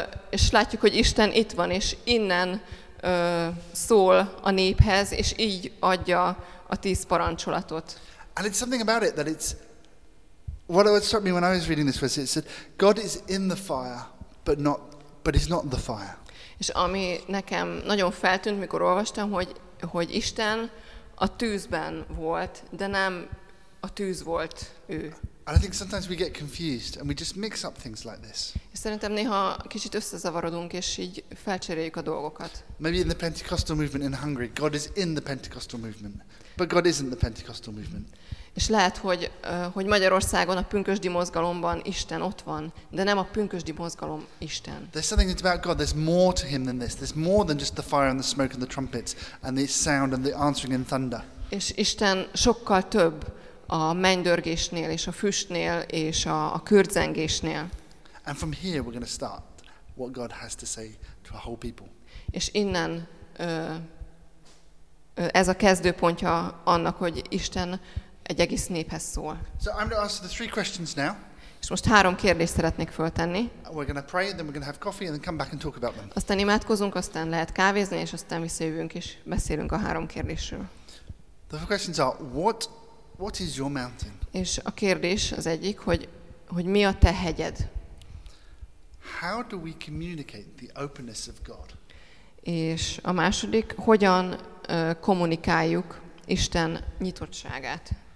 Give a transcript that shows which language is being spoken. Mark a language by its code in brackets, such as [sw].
[hu] És látjuk, hogy Isten itt van, és innen szól a néphez, és így adja a 10 parancsolatot. [en] And it's something about it that it's, what struck me when I was reading this was, it said, God is in the fire, but it's not the fire. [hu] És ami nekem nagyon feltűnt, mikor olvastam, hogy Isten a tűzben volt, de nem a tűz volt ő. [en] And I think sometimes we get confused and we just mix up things like this. [hu] És szerintem néha kicsit összezavarodunk és így felcseréljük a dolgokat. [en] Maybe in the Pentecostal movement in Hungary, God is in the Pentecostal movement, but God isn't the Pentecostal movement. [hu] És lehet, hogy Magyarországon a pünkösdi mozgalomban Isten ott van, de nem a pünkösdi mozgalom Isten. [en] There's something about God, there's more to him than this. There's more than just the fire and the smoke and the trumpets and the sound and the answering in thunder. [hu] És Isten sokkal több a mennydörgésnél és a füstnél és a kürtzengésnél. [en] And from here we're going to start what God has to say to a whole people. [hu] És innen ez a kezdőpontja annak, hogy Isten egy egész néphez szól. [en] So I'm going to ask the 3 questions now. [hu] És most 3 kérdést szeretnék föltenni. [en] We're going to pray, then we're going to have coffee, and then come back and talk about them. [hu] Aztán imádkozunk, aztán lehet kávézni, és aztán visszajövünk, és beszélünk a 3 kérdésről. [en] The 3 questions are, what is your mountain? [hu] És a kérdés az egyik, hogy mi a te hegyed? [en] How do we communicate the openness of God? [hu] És a második, hogyan kommunikáljuk Isten nyitottságát?